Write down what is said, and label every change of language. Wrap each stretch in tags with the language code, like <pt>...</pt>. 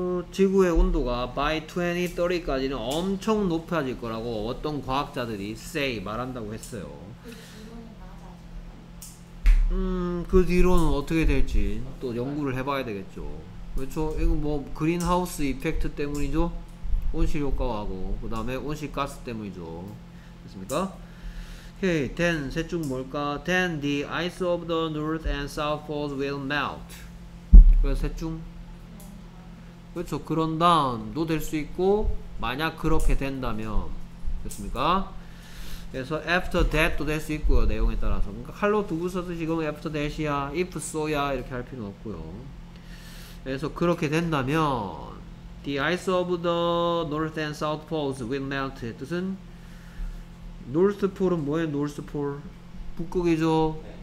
<ko>지구의 온도가 by 2030까지는 엄청 높아질 거라고 어떤 과학자들이 say 말한다고 했어요. 그 뒤로는 어떻게 될지 또 연구를 해봐야 되겠죠. 그렇죠? 이거 뭐 그린하우스 이펙트 때문이죠? 온실 효과하고 그 다음에 온실 가스 때문이죠. 됐습니까?</ko> <en>Okay, then</en> <ko>셋 중 뭘까?</ko> <en>Then the ice of the north and south poles will melt.</en> <ko>그래서 셋 중? 그렇죠. 그런 다음도 될 수 있고 만약 그렇게 된다면 됐습니까? 그래서 after that도 될 수 있고요. 내용에 따라서. 그러니까 칼로 두고 써서 지금 after that이야, if so야 이렇게 할 필요는 없고요. 그래서 그렇게 된다면</ko> <en>The ice of the north and south poles will melt.</en> <ko>뜻은 노스 폴은 뭐예요? 노스 폴? 북극이죠. 네.</ko>